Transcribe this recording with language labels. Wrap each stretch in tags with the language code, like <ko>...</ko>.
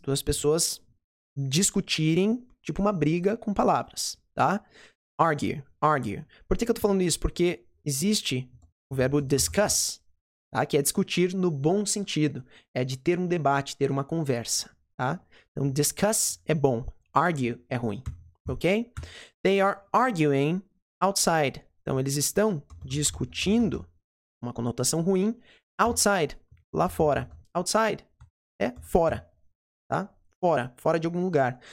<pt>Duas pessoas discutirem, tipo uma briga com palavras, tá? Argue, argue. Por que eu tô falando isso? Porque existe o verbo discuss, tá? Que é discutir no bom sentido. É de ter um debate, ter uma conversa. Tá? Então, discuss é bom. Argue é ruim. Ok?</pt> <en>They are arguing outside.</en> <pt>Então, eles estão discutindo, uma conotação ruim, outside, lá fora. Outside é fora. Tá? Fora, fora de algum lugar.</pt>